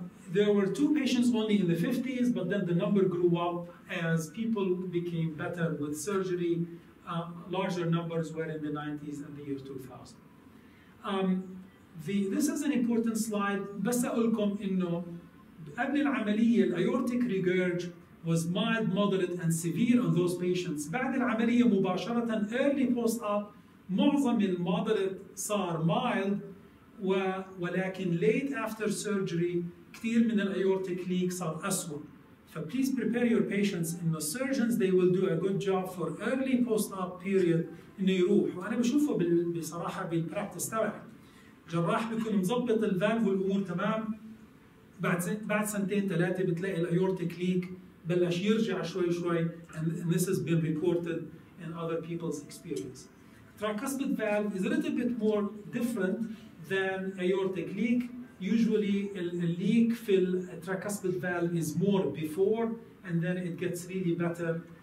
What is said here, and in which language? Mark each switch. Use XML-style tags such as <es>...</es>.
<en>There were 2 patients only in the 50s, but then the number grew up as people became better with surgery. Larger numbers were in the 90s and the year 2000. This is an important slide.</en> <ar>بس أقولكم إنه قبل العملية</ar> <en>aortic regurg was mild, moderate, and severe on those patients.</en> <ar>بعد العملية مباشرة,</ar> <en>early post-op,</en> <ar>معظم المoderate صار mild, ولكن</ar> <en>late after surgery,</en> <ar>كثير من الaortic leak صار أسوأ.</ar> <en>So please prepare your patients. In the surgeons, they will do a good job for early post-op period</en> <ar>إنه يروح. وأنا بشوفه بصراحة بالبراكتس تبعي. جراح بيكون مظبط الفالف والأمور تمام. بعد سنتين ثلاثة بتلاقي الaortic leak بلش يرجع شوي شوي,</ar> <en>and this has been reported in other people's experience. Tricuspid valve is a little bit more different than aortic leak. Usually a leak fill a tricuspid valve is more before, and then it gets really better</en>